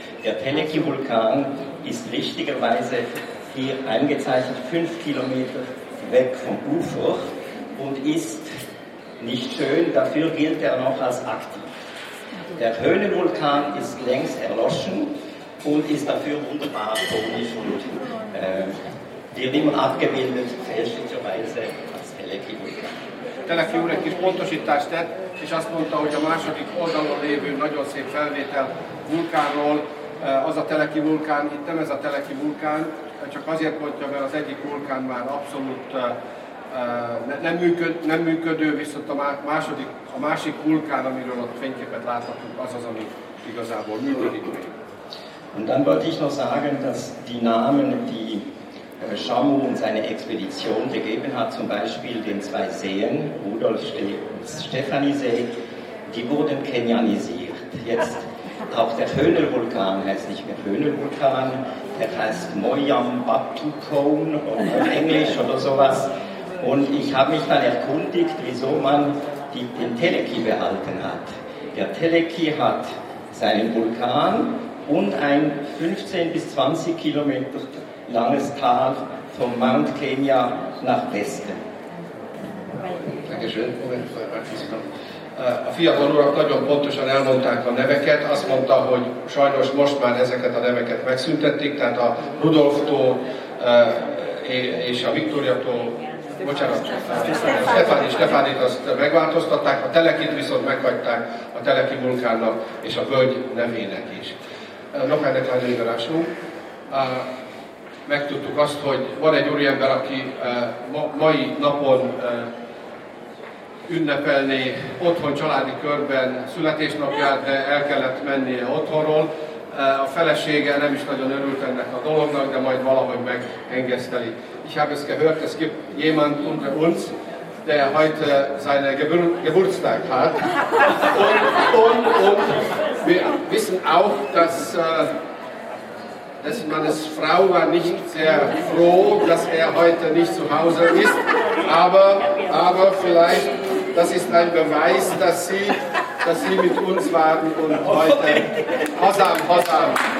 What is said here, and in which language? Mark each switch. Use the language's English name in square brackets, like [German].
[German] Der Teleki-Vulkan ist richtigerweise hier eingezeichnet 5 Kilometer weg vom Ufer und ist nicht schön, dafür gilt er noch als aktiv. Der Hoenen-Vulkan ist längst erloschen und ist dafür wunderbar konisch und wird immer abgebildet, fälschlicherweise als Teleki-Vulkan. [Hungarian] Teleki úr egy kis pontosítást tett, és azt mondta, hogy a második oldalon lévő nagyon szép felvétel vulkánról, az a Teleki vulkán, itt nem ez a Teleki vulkán, csak azért mondja, mert az egyik vulkán már abszolút nem működő, viszont a másik vulkán, amiről ott fényképet láthatunk, az, ami igazából működik. [German] Und dann wollte ich noch sagen, dass die Namen, die Shamu und seine Expedition gegeben hat, zum Beispiel den zwei Seen, Rudolf und Stefaniesee, die wurden kenianisiert. Jetzt auch der Hoenen-Vulkan heißt nicht mehr Hoenen-Vulkan, der heißt Moyambatukone auf Englisch oder sowas. Und ich habe mich dann erkundigt, wieso man den Teleki behalten hat. Der Teleki hat seinen Vulkan und ein 15 bis 20 Kilometer langes Tal vom Mount Kenya nach Westen. Dankeschön. [Hungarian] A fiatal urak nagyon pontosan elmondták a neveket, azt mondta, hogy sajnos most már ezeket a neveket megszüntették, tehát a Rudolftól és a Viktoriától, bocsánat, Stefánit azt megváltoztatták, a Telekit viszont meghagyták a Teleki vulkánnak és a völgy nevének is. Nopádek lányolíverású. Megtudtuk azt, hogy van egy úriember, aki mai napon ünnepelné otthon családi körben születésnapját, de el kellett mennie otthonról. A felesége nem is nagyon örült ennek a dolognak, de majd valahogy megengeszteli. [German] Ich habe es gehört, es gibt jemand unter uns, der heute seine Geburtstag hat. Und wir wissen auch, dass meine Frau war nicht sehr froh, dass heute nicht zu Hause ist, aber vielleicht, das ist ein Beweis, dass sie mit uns waren und heute Hosam, Hosam.